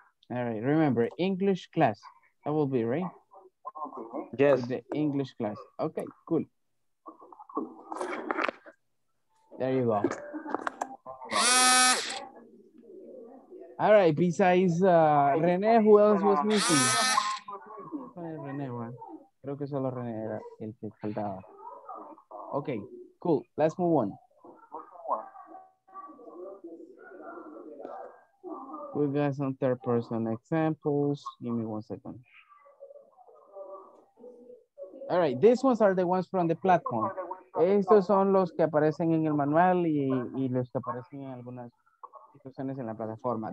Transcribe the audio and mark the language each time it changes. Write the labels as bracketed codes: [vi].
[en] All right, remember, English class, that will be, right? Yes. The English class, okay, cool. There you go. All right, besides René, who else was missing? René, man. [es] Creo que solo René era el que faltaba. [en] Okay, cool. Let's move on. We got some third person examples. Give me 1 second. All right, these ones are the ones from the platform. [es] Estos son los que aparecen en el manual y los que aparecen en algunas situaciones en la plataforma.